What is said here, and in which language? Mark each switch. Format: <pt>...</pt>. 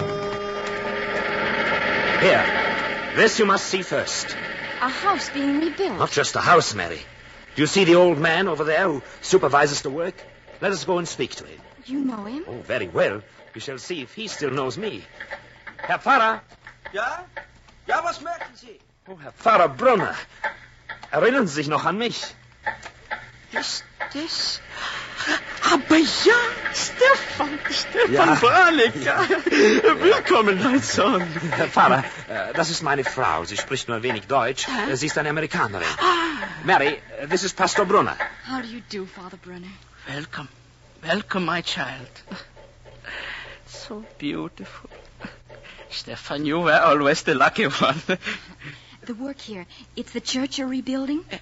<en>Here. This you must see first. A house being rebuilt. Not just a house, Mary. Do you see the old man over there who supervises the work? Let us go and speak to him. You know him? Oh, very well. We shall see if he still knows me.</en> <de>Herr Pfarrer? Ja? Ja, was merken Sie? Oh, Herr Pfarrer Brunner. Erinnern Sie sich noch an mich? Ist das... Aber ja, Stefan ja. Branek. Ja. Willkommen, mein Sohn. Herr Pfarrer, das ist meine Frau. Sie spricht nur ein wenig Deutsch. Hä? Sie ist eine Amerikanerin. Ah.</de> <en>Mary, this is Pastor Brunner. How do you do, Father Brunner? Welcome, my child. So beautiful. Stefan, you were always the lucky one. The work here, it's the church you're rebuilding?</en>